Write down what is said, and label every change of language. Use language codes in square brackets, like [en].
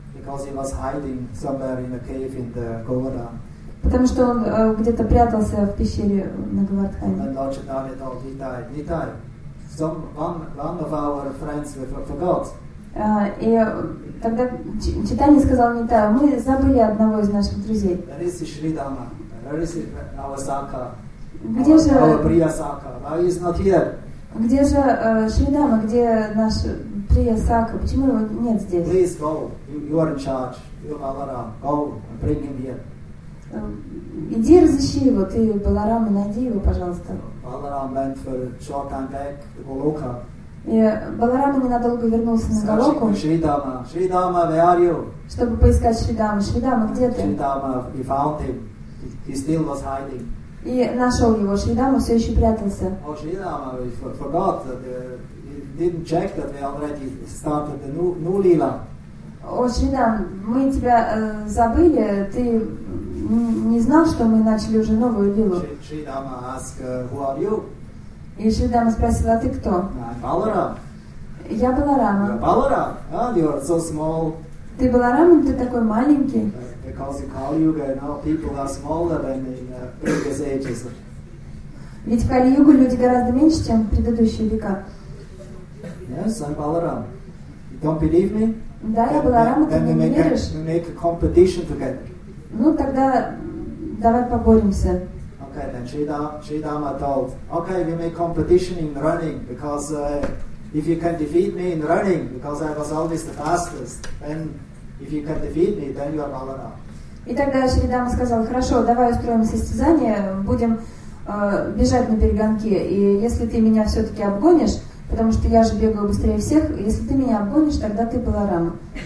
[en] Because he was hiding somewhere in a cave in the Govardhan. [ru] Потому что он где-то прятался в пещере на Говардхане. [en] And Lord Chaitanya told Nitai, Nitai, one of our friends we forgot. [ru] И тогда Чайтанья сказал Нитай, мы забыли одного из наших друзей. [en] Where is Shridama? Where is our Sakha? [ru] Где же [en] our Priya Sakha? Why is not here? [ru] Где же Шридама? Где наш Priya Sakha? Почему его нет здесь? [en] Please go. You are in charge. You are Balaram. Go and bring him here. [ru] Иди разыщи его. Ты Баларам, найди его, пожалуйста. [en] Баларам went for a short time back to Goloka. [ru] И Баларама ненадолго вернулся на Голоку, [en] Шридама, Шридама, where are you? [ru] Чтобы поискать Шридама. Шридама, где ты? [en] Шридама, he found him. He still was hiding. [ru] И нашел его. Шридама все еще прятался. [en] Oh, Шридама, we forgot that he didn't check that we already started the new lila. [ru] О, Шридам, мы тебя забыли. Ты не знал, что мы начали уже новую лилу. [en] Шридама asked, who are you? [ru] И Шридама спросила, а ты кто? Баларам. Я Баларама. [en] Баларам? Ah, you are so small. [ru] Ты Баларама, ты такой маленький. [en] Because in Kali-Yuga, you know, people are smaller than in previous ages. [ru] Ведь в Кали-Югу люди гораздо меньше, чем в предыдущие века. [en] Yes, I'm Balaram. You don't believe me? [ru] Да, я Баларама, ты не веришь? [en] Then we make a competition together. [ru] Ну, тогда давай поборемся. [en] Okay, then Shridama told, okay, we make competition in running, because if you can defeat me in running, because I was always the fastest, then if you can defeat me, then you are Balaram. [ru] И тогда Шридама сказал, хорошо, давай устроим состязание, будем бежать на перегонки, и если ты меня все-таки обгонишь, потому что я же бегаю быстрее всех, если ты меня обгонишь, тогда ты Баларам.